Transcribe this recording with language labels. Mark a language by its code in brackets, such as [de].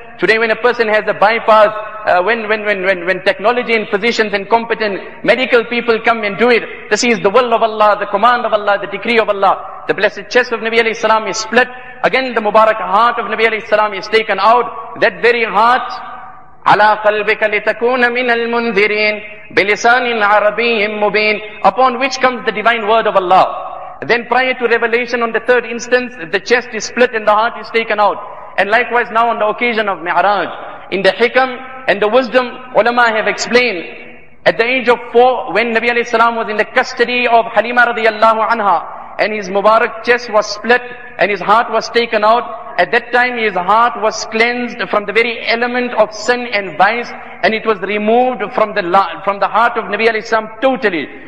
[en] Today when a person has a bypass, when technology and physicians and competent medical people come and do it, this is the will of Allah, the command of Allah, the decree of Allah. The blessed chest of Nabi alayhi salam is split. Again the Mubarak heart of Nabi alayhi salam is taken out. That very heart, [ar] عَلَىٰ قَلْبِكَ لِتَكُونَ مِنَ الْمُنْذِرِينَ بِلِسَانٍ عَرَبِيٍ مُبِينٍ. [en] Upon which comes the divine word of Allah. Then prior to revelation on the third instance, the chest is split and the heart is taken out. And likewise now on the occasion of Mi'raj, in the hikam and the wisdom, ulama have explained, at the age of four, when Nabi alayhi salam was in the custody of Halima radiyallahu anha, and his mubarak chest was split and his heart was taken out, at that time his heart was cleansed from the very element of sin and vice, and it was removed from the heart of Nabi alayhi salam totally.